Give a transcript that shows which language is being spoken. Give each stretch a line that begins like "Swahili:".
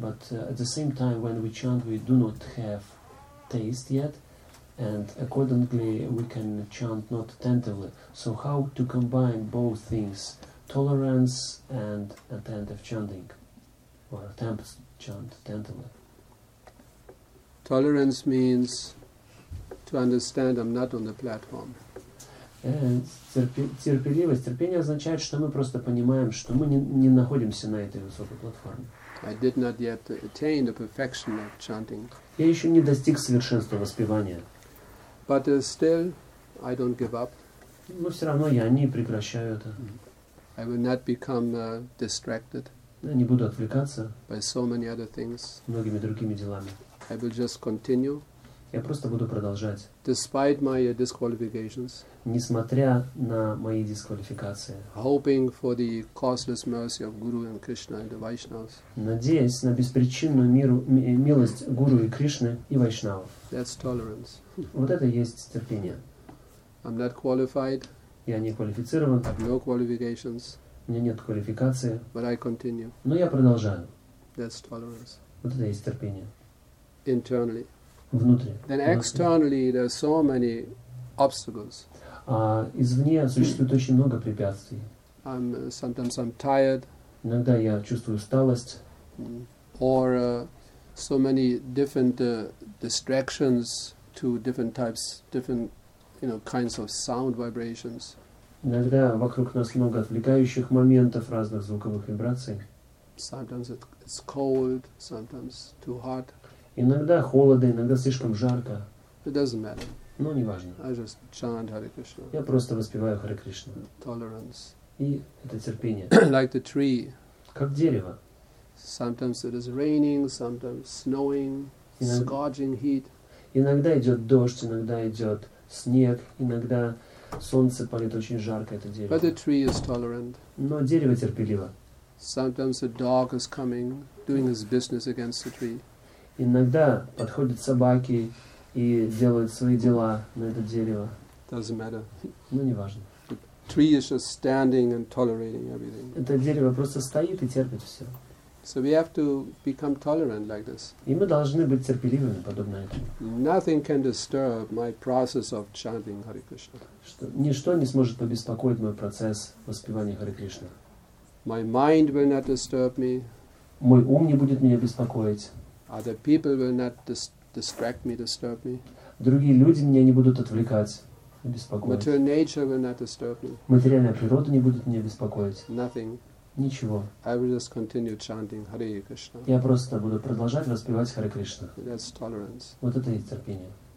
English: But at the same time, when we chant, we do not have taste yet, and accordingly, we can chant not attentively. So how to combine both things, tolerance and attentive chanting, or attempts to chant attentively? Tolerance means to understand I'm not on the platform.
Russian: Терпеливость, терпение означает, что мы просто понимаем, что мы не находимся на этой высокой платформе.
English: I did not yet attain the perfection of chanting.
Russian: Я еще не достиг совершенства воспевания.
English: But still, I don't give up.
Russian: Но все равно я не прекращаю это.
English: I will not become distracted.
Russian: Я не буду отвлекаться
English: by so many other things.
Russian: Многими другими делами.
English: I will just continue.
Russian: Я просто буду продолжать.
English: Despite my disqualifications,
Russian: несмотря на мои дисквалификации.
English: Hoping for the causeless mercy of Guru and Krishna and the Vaishnavas.
Russian: Надеясь на беспричинную милость Гуру и Кришны и Вайшнавов.
English: That's tolerance.
Russian: Вот это есть терпение.
English: I'm not qualified.
Russian: Я не квалифицирован.
English: No qualifications.
Russian: У меня нет квалификации.
English: But I continue.
Russian: Но я продолжаю.
English: That's tolerance.
Russian: Вот это есть терпение.
English: Internally.
Russian: Внутри.
English: Then externally there are so many obstacles.
Russian: Извне существует очень много препятствий.
English: Sometimes I'm tired.
Russian: Иногда я чувствую усталость.
English: Or so many different distractions to different types, different, you know, kinds of sound vibrations.
Russian: Иногда вокруг нас много отвлекающих моментов разных звуковых вибраций.
English: Sometimes it's cold. Sometimes too hot.
Russian: Иногда холодно, иногда слишком жарко.
English: It doesn't matter.
Russian: Но не важно.
English: I just chant Hare Krishna.
Russian: Я просто воспеваю Харе Кришну.
English: Tolerance.
Russian: И это терпение.
English: Like the tree.
Russian: Как дерево.
English: Sometimes it is raining, sometimes snowing, scorching heat.
Russian: Иногда идет дождь, иногда идет снег, иногда солнце палит очень жарко это дерево.
English: But the tree is tolerant.
Russian: Но дерево терпеливо.
English: Sometimes a dog is coming, doing his business against the tree.
Russian: Иногда подходят собаки и делают свои дела на это дерево.
English: Doesn't matter.
Russian: Ну не важно.
English: The tree is just standing and tolerating everything.
Russian: Это дерево просто стоит и терпит все.
English: So we have to become tolerant like this.
Russian: И мы должны быть терпеливыми подобно этому.
English: Nothing can disturb my process of chanting Hare Krishna.
Russian: Что, ничто не сможет побеспокоить мой процесс воспевания Харе Кришны.
English: My mind will not disturb me.
Russian: Мой ум не будет меня беспокоить.
English: Other people will not distract me, disturb me.
Russian: Другие люди меня не будут отвлекать и беспокоить.
English: Material nature will not disturb me.
Russian: Материальная природа не будет меня беспокоить.
English: Nothing.
Russian: Ничего.
English: I will just continue chanting Hare Krishna.
Russian: Я просто буду продолжать воспевать Харе Кришна.
English: That's tolerance.
Russian: Вот это и терпение.